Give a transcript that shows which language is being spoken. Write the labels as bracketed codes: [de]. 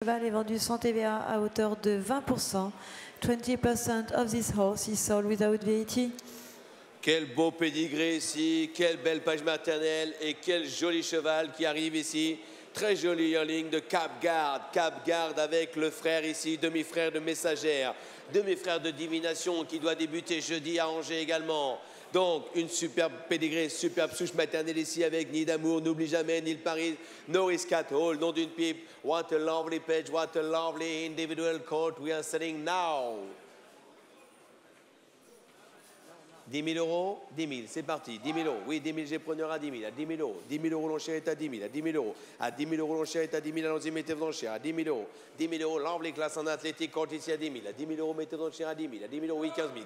[fr] cheval est vendu sans TVA à hauteur de 20%. [en] 20% of this horse is sold without VAT. [fr] Quel beau pédigré ici, quelle belle page maternelle et quel joli cheval qui arrive ici. Très joli en ligne de Cap Guard. Cap Guard avec le frère ici, demi-frère de Messagère, demi-frère de Divination qui doit débuter jeudi à Angers également. Donc, une superbe pédigrée, superbe souche maternelle ici avec Ni d'amour, n'oublie jamais, ni le Paris, no risk at all, nom d'une pipe. [en] What a lovely page, what a lovely individual coat we are selling now. [fr] 10 000 euros, 10 000, c'est parti, 10 000 euros. Oui, 10 000, j'ai preneur à 10 000, à 10 000 euros. 10 000 euros, l'enchère est à 10 000, à 10 000 euros. À 10 000 euros, l'enchère est à 10 000, allons-y, mettez-vous en chair, à 10 000 euros. 10 000 euros, l'enveloppe, classe en athlétique, compte ici à 10 000. À 10 000 euros, mettez-vous en chair à 10 000, à 10 000 euros, oui, 15 000.